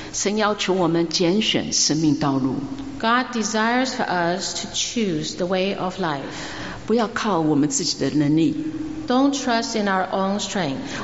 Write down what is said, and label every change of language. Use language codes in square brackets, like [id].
[zh] 神要求我们拣选生命道路。 [en] God desires for us to choose the way of life. [zh] 不要靠我们自己的能力。 [en] Don't trust in our own strength.